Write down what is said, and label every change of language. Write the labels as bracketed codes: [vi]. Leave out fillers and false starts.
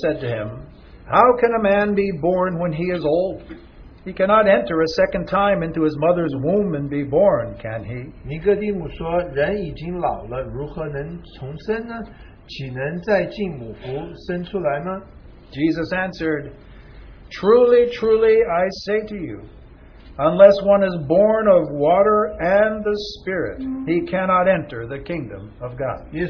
[en] said to him, How can a man be born when he is old? He cannot enter a second time into his mother's womb and be born, can he? [zh] 尼哥底母说，人已经老了，如何能重生呢？岂能再进母腹生出来吗? [en] Jesus answered, Truly, truly, I say to you, unless one is born of water and the Spirit, he cannot enter the kingdom of God.